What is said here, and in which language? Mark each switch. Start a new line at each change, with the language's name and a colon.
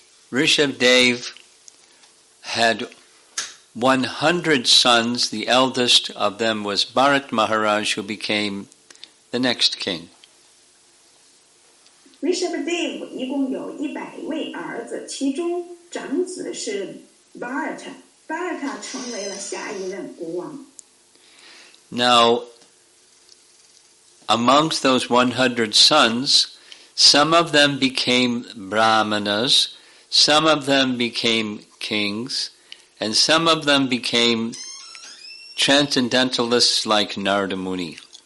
English: Rishabhdev had 100 sons. The eldest of them was Bharat Maharaj, who became the next king.
Chinese: Rishabhdev 一共有100位儿子，其中长子是Bharata，Bharata成为了下一任国王。
English: Now, amongst those 100 sons, some of them became brahmanas, some of them became kings, and some of them became transcendentalists like Narada Muni.